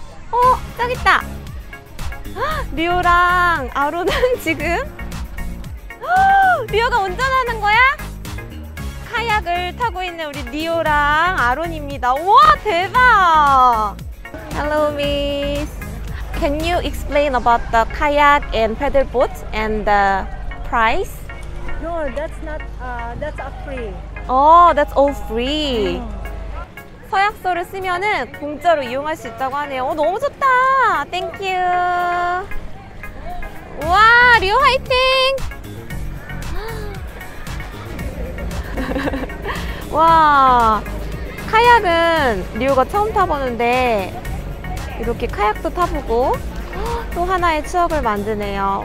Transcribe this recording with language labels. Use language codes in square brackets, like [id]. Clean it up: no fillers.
[ko] 어, 딱 있다! 리오랑 아로는 지금 리오가 운전하는 거야? 카약을 타고 있는 우리 리오랑 아론입니다. 우와, 대박! [en] Hello, Miss. Can you explain about the kayak and paddle boat and the price? No, that's not, that's all free. Oh, that's all free. Oh. [ko] 서약서를 쓰면은 공짜로 이용할 수 있다고 하네요. 어, 너무 좋다! [en] Thank you. [ko] 우와, 리오 화이팅! 와, 카약은 리오가 처음 타보는데 이렇게 카약도 타보고 또 하나의 추억을 만드네요.